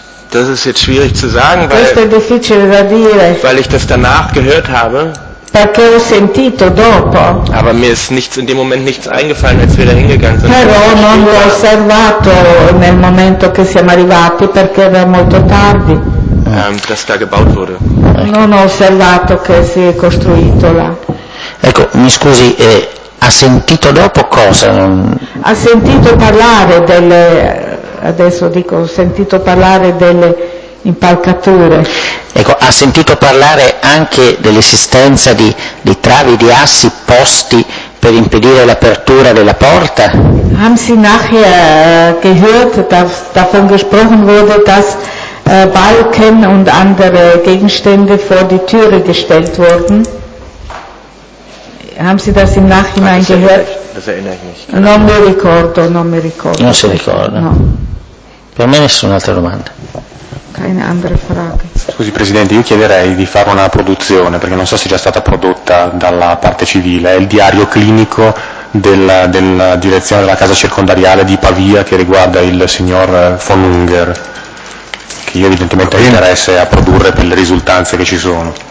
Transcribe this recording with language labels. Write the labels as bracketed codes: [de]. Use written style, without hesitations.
[de] Das ist jetzt schwierig zu sagen, weil ich das danach gehört habe. [it] Perché ho sentito dopo. [de] Aber mir ist nichts in dem Moment nichts eingefallen, als wir da hingegangen sind. [it] Però non l'ho osservato nel momento che siamo arrivati, perché era molto tardi. [de] Dass da gebaut wurde. [it] Non ho osservato che si è costruito là. Ecco, mi scusi, ha sentito dopo cosa? Ha sentito parlare delle, adesso dico, ho sentito parlare delle impalcature. Ecco, ha sentito parlare anche dell'esistenza di travi, di assi posti per impedire l'apertura della porta? [de] Haben Sie nachher gehört, dass davon gesprochen wurde, dass Balken und andere Gegenstände vor die Türe gestellt wurden? Haben Sie das im Nachhinein gehört? Das erinnere ich nicht. [it] Non mi ricordo, non mi ricordo. Non si ricorda. No. Per me nessun'altra domanda. [de] Keine andere Frage. [it] Scusi Presidente, io chiederei di fare una produzione, perché non so se è già stata prodotta dalla parte civile, è il diario clinico della direzione della casa circondariale di Pavia che riguarda il signor von Unger, che io evidentemente ho interesse a produrre per le risultanze che ci sono.